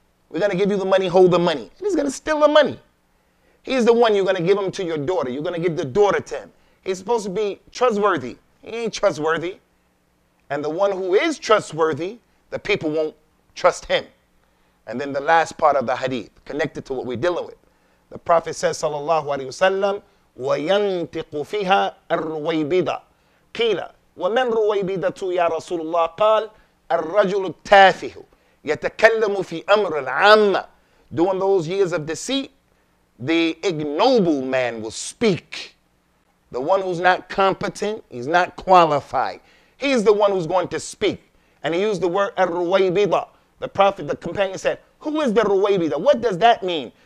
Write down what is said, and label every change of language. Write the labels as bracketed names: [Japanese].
[English] We're going to give you the money, hold the money. And he's going to steal the money. He's the one you're going to give him to your daughter. You're going to give the daughter to him. He's supposed to be trustworthy. He ain't trustworthy. And the one who is trustworthy, the people won't trust him. And then the last part of the hadith, connected to what we're dealing with. The Prophet says, [Arabic] sallallahu alayhi wasallam, وَيَنْتِقُ فِيهَا الرُّوَيْبِدَ قِيلَ وَمَنْ رُوَيْبِدَةُ يَا رَسُولُ اللَّهِ قَالَ الرَّجُلُ التَّافِهُ يَتَكَلَّمُ فِي أَمْرِ الْعَامَّةِ. [English] During those years of deceit, the ignoble man will speak. The one who's not competent, he's not qualified. He's the one who's going to speak. And he used the word الرُّوَيْبِدَ. The Prophet, the companion said, who is the رُوَيْبِدَ? What does that mean?